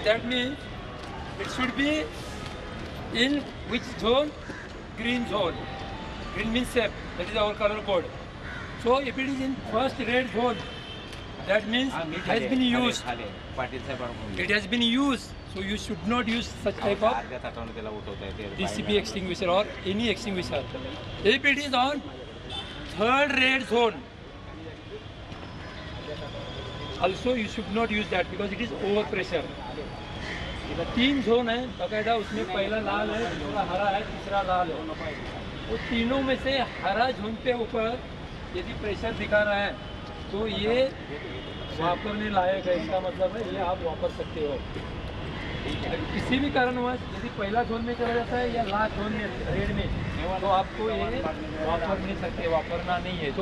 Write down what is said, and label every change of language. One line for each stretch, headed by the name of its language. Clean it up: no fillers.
English: That means it should be in which zone, green zone. Green means safe, that is our colour code. So if it is in first red zone, that means it has been used, it has been used. So you should not use such type of DCB extinguisher or any extinguisher. If it is on third red zone, also you should not use that because it is over pressure.
Hindi: तीन zone है बकायदा, उसमें पहला लाल है, दूसरा हरा है, तीसरा लाल है। वो तीनों में से हरा zone पे ऊपर यदि pressure दिखा रहा है तो ये वापरने लायक है। इसका मतलब है ये आप वापर सकते हो किसी भी कारण हुआ, यदि पहला जोन में चला जाता है या लास्ट जोन में रेड में, तो आपको ये वापर नहीं सकते, वापरना नहीं है।